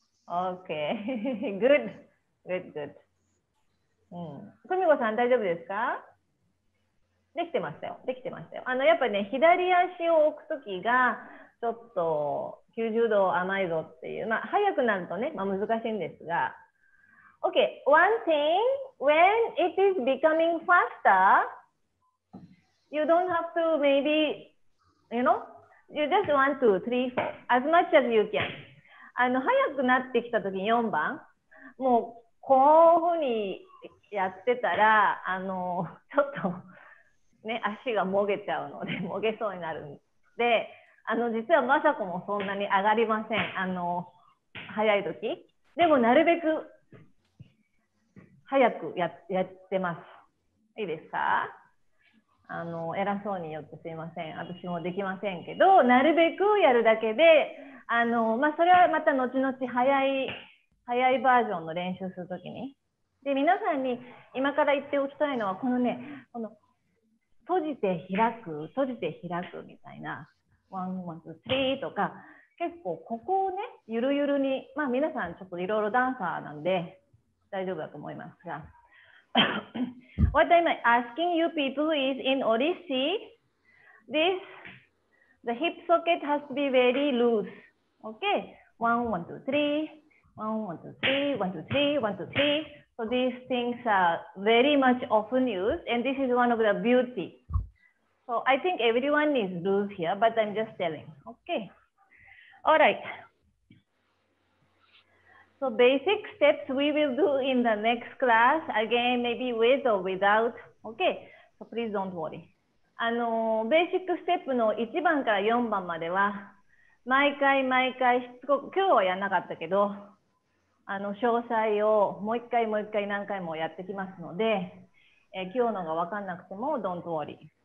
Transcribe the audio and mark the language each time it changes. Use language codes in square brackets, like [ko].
[en] Okay, good, good, good. [ja] うん、久美子さん大丈夫ですか？できてましたよ、できてましたよ。やっぱね、左足を置くときがちょっと90度甘いぞっていう、まあ早くなるとね、まあ難しいんですが。 [en] OK, one thing, when it is becoming faster, you don't have to maybe, you know, you just want to 3-4 as much as you can. [ja] 早くなってきたとき4番、もうこういうふうにやってたら、ちょっと、ね、足がもげちゃうので、もげそうになるんで、実はまさこもそんなに上がりません。早い時。でも、なるべく、早くやってます。いいですか？偉そうに言ってすいません。私もできませんけど、なるべくやるだけで、まあ、それはまた後々早いバージョンの練習するときに、で皆さんに今から言っておきたいのは、このね、この閉じて開く、閉じて開くみたいな、 [en] ワン、ワン、ツー、スリー [ja] とか、結構ここをね、ゆるゆるに、まあ皆さんちょっといろいろダンサーなんで、大丈夫だと思いますが。 [en] What I'm asking you people is in Odyssey, this, the hip socket has to be very loose. Okay? ワン、ワン、ツー、スリー、ワン、ワン、ツー、スリー、ワン、ツー、スリー、ワン、ツー、スリー。 So these things are very much often used, and this is one of the beauty. So I think everyone is loose here, but I'm just telling. Okay. All right. So basic steps we will do in the next class, again, maybe with or without. Okay, so please don't worry. [ja] ベーシックステップの1番から4番までは、毎回毎回しつこく、今日はやんなかったけど、詳細をもう一回もう一回何回もやってきますので、今日のがわかんなくても、 [en] don't worry.